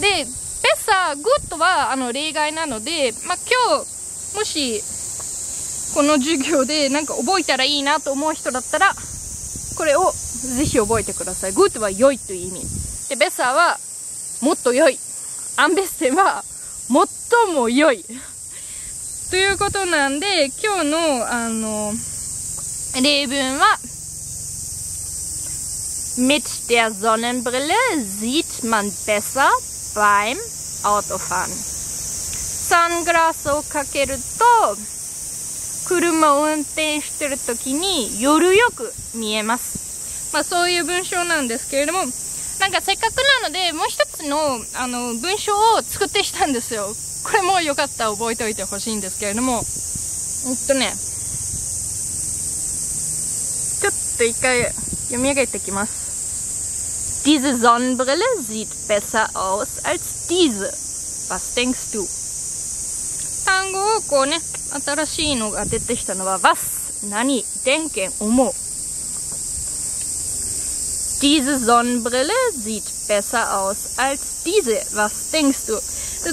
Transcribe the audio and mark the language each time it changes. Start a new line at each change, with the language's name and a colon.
Japanese: で、besser, good は、例外なので、まあ、今日、もし、この授業でなんか覚えたらいいなと思う人だったら、これをぜひ覚えてください。 Good は良いという意味。で、Besser はもっと良い。 Anbesten は最も良い。ということなんで、今日の例文は、
German: Mit der Sonnenbrille sieht man besser beim Autofahren.
Japanese: サングラスをかけると、車を運転してるときに夜よく見えます。まあそういう文章なんですけれども、なんかせっかくなのでもう一つの文章を作ってきたんですよ。これもよかったら覚えておいてほしいんですけれども、ね、ちょっと一回読み上げてきます。
German: Diese Sonnenbrille sieht besser aus als diese. Was denkst du?
Japanese: 単語をこうね、新しいのが出てきたのは、was、何、denken、思う。
German: Diese Sonnenbrille sieht besser aus als diese. Was denkst du?